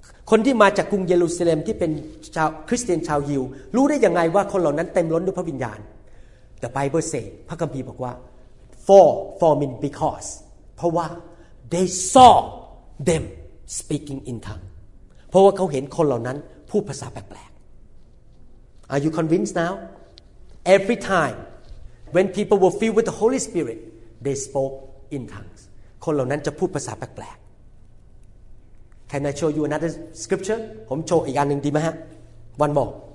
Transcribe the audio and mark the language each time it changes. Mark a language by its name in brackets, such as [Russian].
[Thai] คนที่มาจากกรุงเยรูซาเล็มที่เป็นชาวคริสเตียนชาวยิวรู้ได้ยังไงว่าคนเหล่านั้นเต็มล้นด้วยพระวิญญาณ [English] The Bible says [Thai] พระคัมภีร์บอกว่า [English] for mean because [Thai] เพราะว่า [English] they saw them speaking in tongues. [Thai] เพราะว่าเขาเห็นคนเหล่านั้นพูดภาษาแปลกๆ [English] Are you convinced now? Every time when people were filled with the Holy Spirit, they spoke in tongues. [Thai] คนเหล่านั้นจะพูดภาษาแปลกๆ [English] Can I show you another scripture? [Thai] ผมโชว์อีกอันหนึ่งดีไหมฮะ [English] One more.